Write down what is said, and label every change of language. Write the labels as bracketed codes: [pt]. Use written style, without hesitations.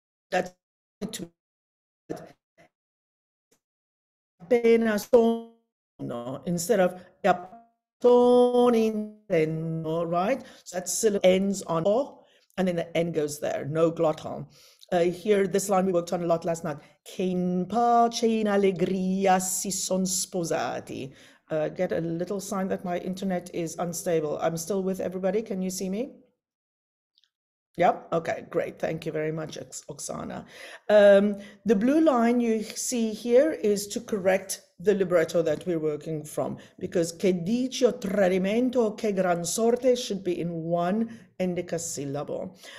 [en] that to appena sono, instead of appena, right? So that syllable ends on o, and then the n goes there, no glottal. Here, this line we worked on a lot last night. [it] Che in pace in allegria si son sposati. [en] Get a little sign that my internet is unstable. I'm still with everybody. Can you see me? Yep. Okay, great. Thank you very much, Oksana. The blue line you see here is to correct the libretto that we're working from, because [it] che dicio tradimento, che gran sorte [en] should be in one endecasyllable.